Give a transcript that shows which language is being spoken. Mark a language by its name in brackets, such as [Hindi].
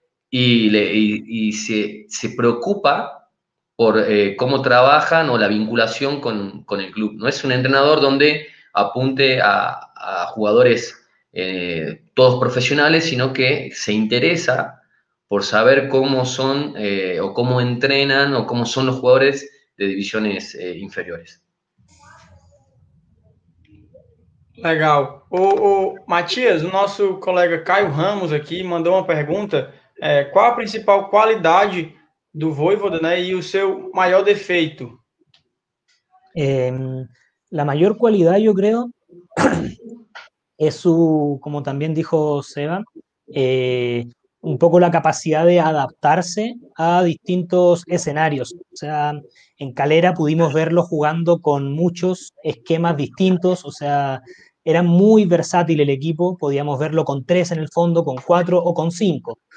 [Spanish] Y se preocupa por cómo trabajan o la vinculación con el club. No es un entrenador donde apunte a jugadores todos profesionales, sino que se interesa por saber cómo son o cómo entrenan o cómo son los jugadores de divisiones inferiores. [Portuguese] Legal. [Spanish] Matías, nuestro colega Caio Ramos aquí mandó una pregunta. [Portuguese] Qual a principal qualidade do Vojvoda, né, e o seu maior defeito? [Spanish] La mayor cualidad, yo creo, es su, como también dijo Seba, un poco la capacidad de adaptarse a distintos escenarios. O sea, en Calera pudimos verlo jugando con muchos esquemas distintos, o sea, era muy versátil el equipo, podíamos verlo con tres en el fondo, con cuatro o con cinco.